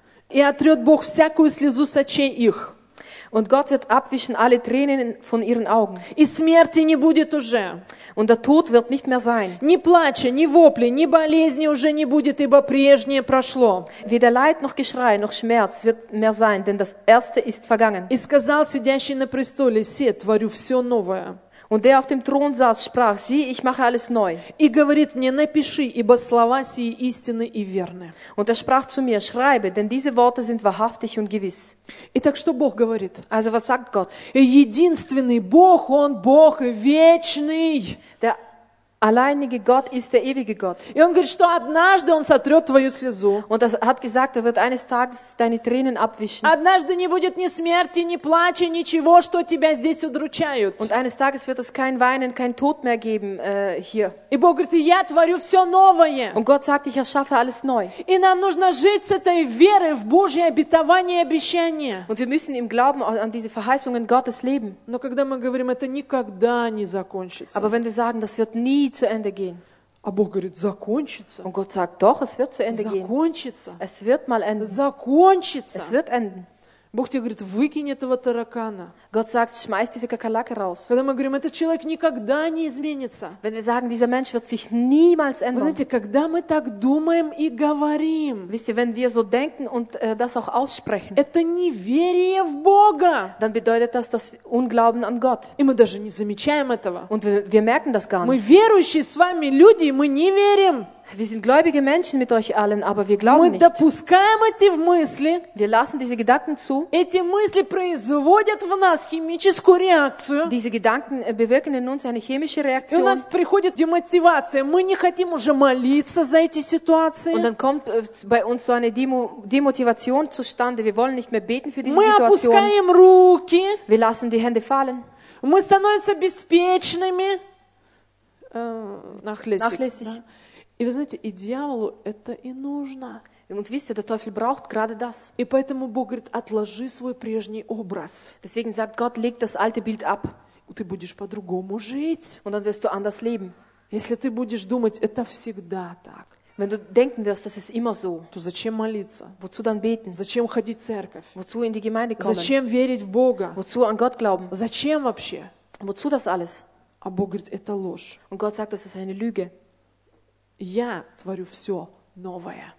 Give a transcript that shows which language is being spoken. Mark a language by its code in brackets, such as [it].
[ru] И отрет Бог всякую слезу с очей их. [de] Und Gott wird abwischen alle Tränen von ihren Augen. [ru] И смерти не будет уже. [de] Und der Tod wird nicht mehr sein. [ru] Ни плача, ни вопли, ни болезни уже не будет, ибо прежнее прошло. [de] Weder Leid noch Geschrei noch Schmerz wird mehr sein, denn das Erste ist vergangen. [ru] И сказал сидящий на престоле: «Се, творю все новое». [de] Und der auf dem Thron saß, sprach: Sieh, ich mache alles neu. [ru] И говорит мне: Напиши, ибо слова сии истинны и верны. [de] Und er sprach zu mir: Schreibe, denn diese Worte sind wahrhaftig und gewiss. [ru] Итак, что Бог говорит? [de] Also, was sagt Gott? [ru] Единственный Бог, Он Бог вечный. [de] Der alleinige Gott ist der ewige Gott. [ru] И Он говорит, что однажды Он сотрет твою слезу. [de] Und er hat gesagt, er wird eines Tages deine Tränen abwischen. [ru] Однажды не будет ни смерти, ни плача, ничего, что тебя здесь удручают. [de] Und eines Tages wird es kein Weinen, kein Tod mehr geben hier. [ru] И Бог говорит, я творю все новое. [de] Und Gott sagt, ich erschaffe alles neu. [ru] И нам нужно жить с этой верой в Божье обетование и обещание. [de] Und wir müssen im Glauben an diese Verheißungen Gottes leben. [ru] Но когда мы говорим, это никогда не закончится. [de] Aber wenn wir sagen, das wird nie zu Ende gehen. [ru] А Бог говорит, закончится. [de] Und Gott sagt, doch, es wird zu Ende [ru] закончится. [de] Gehen. Es wird mal enden. [ru] Закончится. [de] Es wird enden. [ru] Бог тебе говорит, выкинь этого таракана. [de] Gott sagt, schmeiß diese Kakerlake raus. [ru] Когда мы говорим, этот человек никогда не изменится. [de] Wenn wir sagen, dieser Mensch wird sich niemals ändern. [ru] Вы знаете, когда мы так думаем и говорим. [de] Wisst ihr, wenn wir so denken und das auch aussprechen. [ru] Это неверие в Бога. [de] Dann bedeutet das das Unglauben an Gott. [ru] И мы даже не замечаем этого. [de] Und wir merken das gar nicht. [ru] Мы верующие с вами люди, мы не верим. [de] Wir sind gläubige Menschen mit euch allen, aber wir glauben nicht. [ru] Мы допускаем эти мысли. [de] Wir lassen diese Gedanken zu. [ru] Эти мысли производят в нас химическую реакцию. [de] Diese Gedanken bewirken in uns eine chemische Reaktion. [ru] И у нас приходит демотивация. Мы не хотим уже молиться за эти ситуации. [de] Und dann kommt bei uns so eine Demotivation zustande. Wir wollen nicht mehr beten für diese Situation. [ru] Мы опускаем руки. [de] Wir lassen die Hände fallen. [ru] Мы становимся беспечными. [de] Nachlässig. [ru] Да? И вы знаете, и дьяволу это и нужно. [de] Und wisst ihr, der Teufel braucht gerade das. [ru] И поэтому Бог говорит, отложи свой прежний образ. [de] Deswegen sagt Gott, leg das alte Bild ab. [ru] Ты будешь по-другому жить. [de] Und dann wirst du anders leben. [ru] Если ты будешь думать, это всегда так. [de] Wenn du denken wirst, das ist immer so. [ru] То зачем молиться? [de] Wozu dann beten? [ru] Зачем ходить в церковь? [de] Wozu in die Gemeinde kommen? [ru] Зачем верить в Бога? [de] Wozu an Gott glauben? [ru] Зачем вообще? [de] Wozu das alles? [ru] А Бог говорит, это ложь. [de] Und Gott sagt, das ist eine Lüge. [ru] Я творю все новое.